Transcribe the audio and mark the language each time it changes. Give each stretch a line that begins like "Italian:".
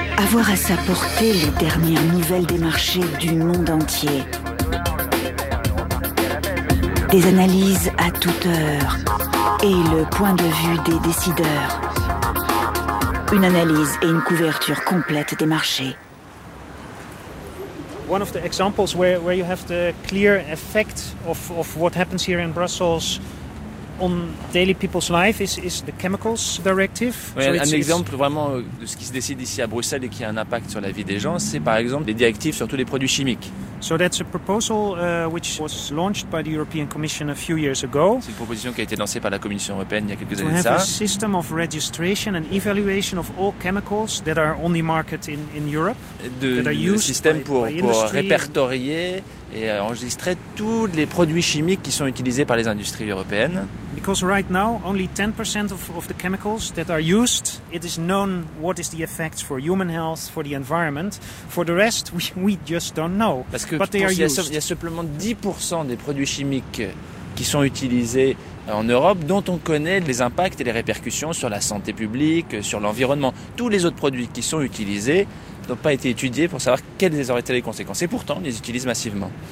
French: Avoir à sa portée les dernières nouvelles des marchés du monde entier. Des analyses à toute heure. Et le point de vue des décideurs. Une analyse et une couverture complète des marchés.
English: One of the examples where you have the clear effect of what happens here in Brussels on daily people's life is the chemicals directive.
French: Oui, so un exemple vraiment de ce qui se décide ici à Bruxelles et qui a un impact sur la vie des gens, c'est par exemple les directives sur tous les produits chimiques.
English: So that's a proposal which was launched by the European Commission a few years ago.
French: C'est une proposition qui a été lancée par la Commission européenne il y a quelques années de ça.
English: To have a system of registration and evaluation of all chemicals that are on the market in Europe.
French: Un système pour répertorier et enregistrer tous les produits chimiques qui sont utilisés par les industries européennes.
English: Because right now only 10% of the chemicals that are used, it is known what is the effects for human health, for the environment. For the rest, we just don't know.
French: Parce que que il y a simplement 10% des produits chimiques qui sont utilisés en Europe, dont on connaît les impacts et les répercussions sur la santé publique, sur l'environnement. Tous les autres produits qui sont utilisés n'ont pas été étudiés pour savoir quelles auraient été les conséquences. Et pourtant, on les utilise massivement.